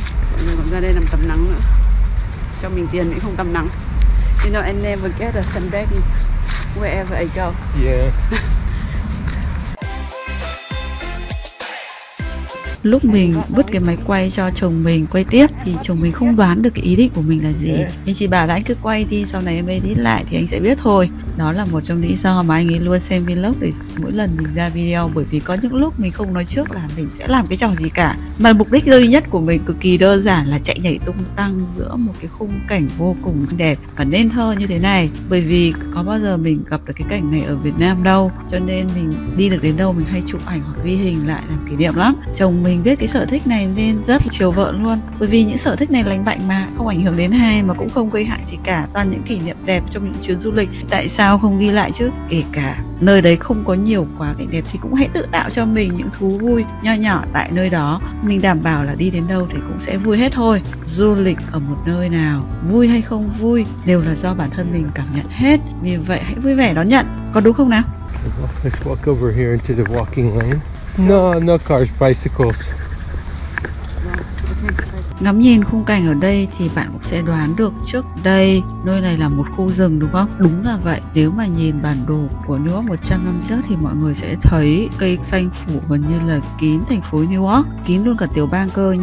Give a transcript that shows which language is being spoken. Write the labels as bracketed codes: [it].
[vi] Mọi người còn ra đây làm tắm nắng nữa. Cho mình tiền thì không tắm nắng. [en] You know, I never get a sunbed wherever I go. Yeah. [vi] Lúc mình vứt cái máy quay cho chồng mình quay tiếp thì chồng mình không đoán được cái ý định của mình là gì. Mình chỉ bảo là anh cứ quay đi, sau này em edit lại thì anh sẽ biết thôi. Đó là một trong lý do mà anh ấy luôn xem vlog để mỗi lần mình ra video, bởi vì có những lúc mình không nói trước là mình sẽ làm cái trò gì cả. Mà mục đích duy nhất của mình cực kỳ đơn giản là chạy nhảy tung tăng giữa một cái khung cảnh vô cùng đẹp và nên thơ như thế này. Bởi vì có bao giờ mình gặp được cái cảnh này ở Việt Nam đâu, cho nên mình đi được đến đâu mình hay chụp ảnh hoặc ghi hình lại làm kỷ niệm lắm. Chồng mình mình biết cái sở thích này nên rất là chiều vợ luôn. Bởi vì những sở thích này lành mạnh mà, không ảnh hưởng đến hai mà cũng không gây hại gì cả. Toàn những kỷ niệm đẹp trong những chuyến du lịch, tại sao không ghi lại chứ? Kể cả nơi đấy không có nhiều quá cảnh đẹp thì cũng hãy tự tạo cho mình những thú vui nho nhỏ tại nơi đó. Mình đảm bảo là đi đến đâu thì cũng sẽ vui hết thôi. Du lịch ở một nơi nào, vui hay không vui đều là do bản thân mình cảm nhận hết. Vì vậy hãy vui vẻ đón nhận, có đúng không nào? [en] Let's walk over here into the walking lane. No cars, bicycles. [vi] Ngắm nhìn khung cảnh ở đây thì bạn cũng sẽ đoán được trước đây nơi này là một khu rừng đúng không? Đúng là vậy. Nếu mà nhìn bản đồ của New York 100 năm trước thì mọi người sẽ thấy cây xanh phủ gần như là kín thành phố New York, kín luôn cả tiểu bang cơ.